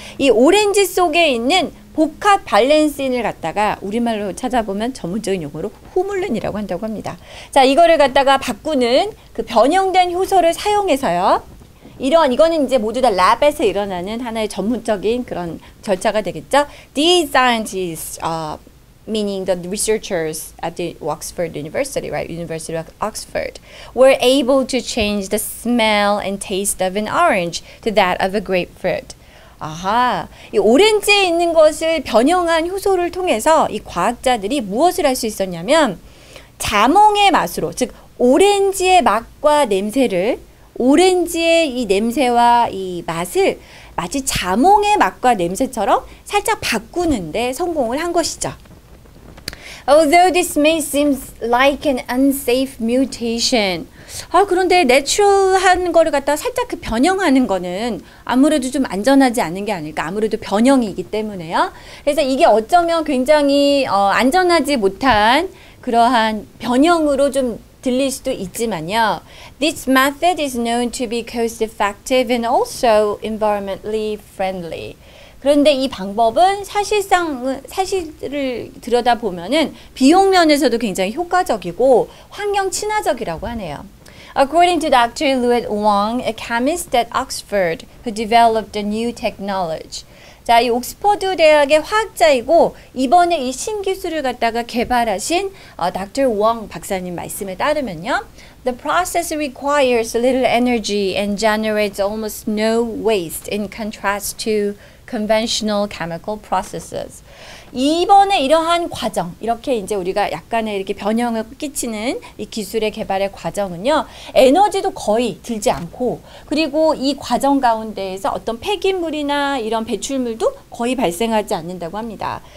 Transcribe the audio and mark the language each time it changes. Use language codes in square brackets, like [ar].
[ko] 이 오렌지 속에 있는 복합 발렌신을 갖다가 우리말로 찾아보면 전문적인 용어로 호물론이라고 한다고 합니다. 자, 이거를 갖다가 바꾸는 그 변형된 효소를 사용해서요. 이런, 이거는 이제 모두 다 랩에서 일어나는 하나의 전문적인 그런 절차가 되겠죠. [en] These scientists, meaning the researchers at the Oxford University, right? University of Oxford, were able to change the smell and taste of an orange to that of a grapefruit. [ko] 아하, 이 오렌지에 있는 것을 변형한 효소를 통해서 이 과학자들이 무엇을 할수 있었냐면, 자몽의 맛으로, 즉, 오렌지의 맛과 냄새를, 오렌지의 이 냄새와 이 맛을 마치 자몽의 맛과 냄새처럼 살짝 바꾸는데 성공을 한 것이죠. [en] Although this may seem like an unsafe mutation, [ko] 아, 그런데 내추럴한 거를 갖다가 살짝 그 변형하는 거는 아무래도 좀 안전하지 않은 게 아닐까. 아무래도 변형이기 때문에요. 그래서 이게 어쩌면 굉장히 안전하지 못한 그러한 변형으로 좀 들릴 수도 있지만요. [en] This method is known to be cost effective and also environmentally friendly. [ko] 그런데 이 방법은 사실상 사실을 들여다보면은 비용 면에서도 굉장히 효과적이고 환경 친화적이라고 하네요. [en] According to Dr. Louis Wong, a chemist at Oxford who developed a new technology. [ko] 자, 이 옥스퍼드 대학의 화학자이고 이번에 이 신기술을 갖다가 개발하신 Dr. Wong 박사님 말씀에 따르면요. [en] The process requires little energy and generates almost no waste in contrast to conventional chemical processes. [ko] 이번에 이러한 과정, 이렇게 이제 우리가 약간의 이렇게 변형을 끼치는 이 기술의 개발의 과정은요, 에너지도 거의 들지 않고, 그리고 이 과정 가운데에서 어떤 폐기물이나 이런 배출물도 거의 발생하지 않는다고 합니다.